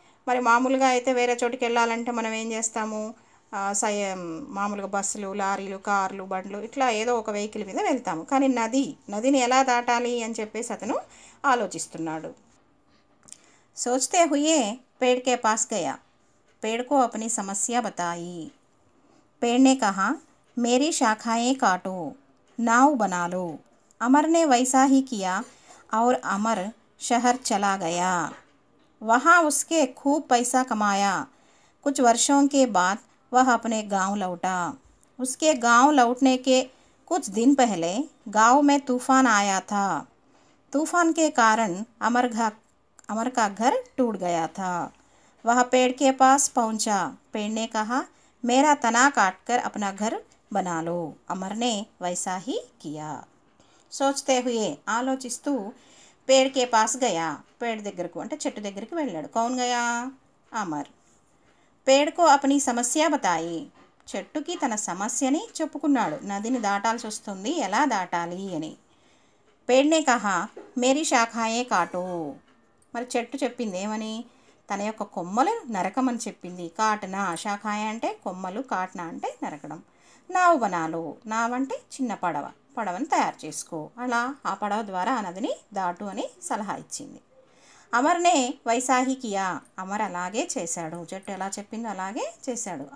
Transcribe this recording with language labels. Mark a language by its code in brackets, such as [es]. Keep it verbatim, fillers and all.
[te] మరి మామూలుగా అయితే వేరే చోటుకి వెళ్ళాలంటే మనం ఏం చేస్తాము? సై మామూలుగా బస్సులు, లారీలు, కార్లు, బండ్లు ఇట్లా ఏదో ఒక వెహికల్ మీద వెళ్తాము. కానీ నది, నదిని ఎలా దాటాలి అని చెప్పేసి అతను ఆలోచిస్తున్నాడు. [hi] సోచతే హుయే పేడ్కే పాస్ గయా, పేడ్కో అప్ని సమస్య బతాయి. पेड़ ने कहा मेरी शाखाएं काटो, नाव बना लो। अमर ने वैसा ही किया और अमर शहर चला गया। वहाँ उसके खूब पैसा कमाया। कुछ वर्षों के बाद वह अपने गांव लौटा। उसके गांव लौटने के कुछ दिन पहले गांव में तूफान आया था। तूफान के कारण अमर घर अमर का घर टूट गया था। वह पेड़ के पास पहुंचा। पेड़ ने कहा मेरा तना काट कर अपना घर बना लो। अमर ने वैसा ही किया। सोचते हुए ఆలోచిస్తూ पेड़ के पास गया, पेड़ [te] దగ్గరకు అంటే చెట్టు దగ్గరికి వెళ్ళాడు. [hi] कौन गया? అమర్. पेड़ को अपनी समस्या बताई, [te] చెట్టుకి తన సమస్యని చెప్పుకున్నాడు. నదిని దాటాల్సి వస్తుంది, ఎలా దాటాలి అని. [hi] पेड़ ने कहा मेरी शाखाएं काटो, [te] మరి చెట్టు చెప్పింది ఏమని? తన యొక్క కొమ్మలు నరకమని చెప్పింది. కాటనా, శాఖాయ అంటే కొమ్మలు, కాటనా అంటే నరకడం. [hi] నావు బనాలు, [te] నావంటే చిన్న పడవ, పడవను తయారు చేసుకో, అలా ఆ పడవ ద్వారా ఆ నదిని దాటు అని సలహా ఇచ్చింది. [hi] అమర్నే వైసాహి కియా, [te] అమర్ అలాగే చేశాడు. చెట్టు ఎలా చెప్పిందో అలాగే చేశాడు.